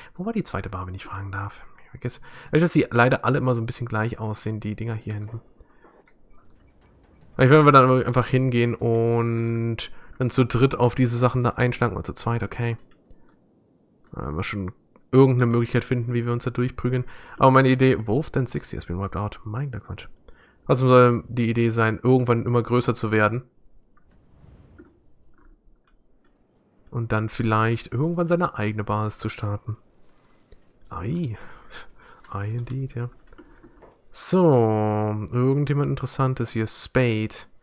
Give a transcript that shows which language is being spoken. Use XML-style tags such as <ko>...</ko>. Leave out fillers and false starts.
<de>Wo war die zweite Bar, wenn ich fragen darf? Ich vergesse. Weil dass sie leider alle immer so ein bisschen gleich aussehen, die Dinger hier hinten. Vielleicht werden wir dann einfach hingehen und dann zu dritt auf diese Sachen da einschlagen oder zu zweit, okay. Wenn wir schon irgendeine Möglichkeit finden, wie wir uns da durchprügeln. Aber meine Idee,</de> <en>Wolf Den 60 has been wiped out.</en> <de>Mein Glückwunsch. Was soll die Idee sein, irgendwann immer größer zu werden? Und dann vielleicht irgendwann seine eigene Basis zu starten. Ei. Ei, indeed, ja. So, irgendjemand Interessantes hier. Spade.</de>